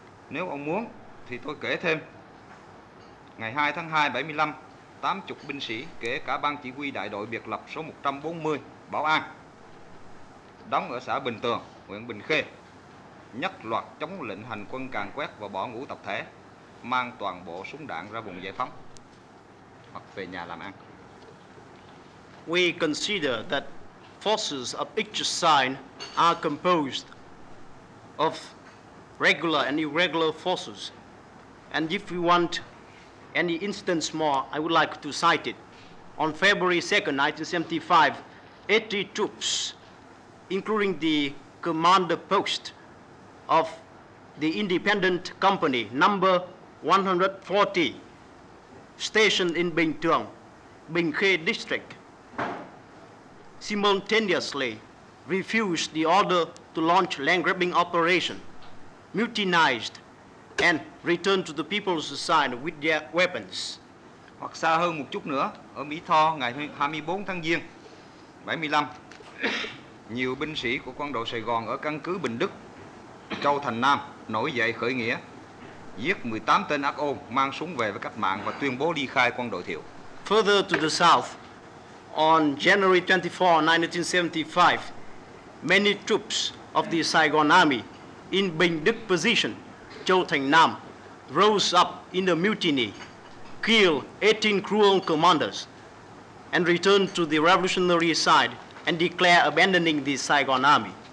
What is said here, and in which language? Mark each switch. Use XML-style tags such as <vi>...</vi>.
<vi>Nếu ông muốn thì tôi kể thêm. Ngày 2 tháng 2, 75, 80 binh sĩ kể cả ban chỉ huy đại đội biệt lập số 140, Bảo An, đóng ở xã Bình Tường, huyện Bình Khê, nhất loạt chống lệnh hành quân càn quét và bỏ ngũ tập thể, mang toàn bộ súng đạn ra vùng giải phóng hoặc về nhà làm ăn.</vi> <en>We consider that forces of each side are composed of regular and irregular forces. And if you want any instance more, I would like to cite it. On February 2nd, 1975, 80 troops, including the commander post of the independent company, number 140, stationed in Bình Thường, Bình Khê district, simultaneously refused the order to launch land grabbing operation, mutinized, and returned to the People's Society with their weapons.</en> <vi>Hoặc xa hơn một chút nữa, ở Mỹ Tho, ngày 24 tháng Giêng, 75, nhiều binh sĩ của quân đội Sài Gòn ở căn cứ Bình Đức, Châu Thành Nam, nổi dậy khởi nghĩa, giết 18 tên ác ôn, mang súng về với cách mạng và tuyên bố ly khai quân đội Thiệu.</vi> <en>Further to the south, on January 24, 1975, many troops of the Saigon Army in Bình Đức position, Châu Thành Nam, rose up in a mutiny, killed 18 cruel commanders, and returned to the revolutionary side and declared abandoning the Saigon Army.</en>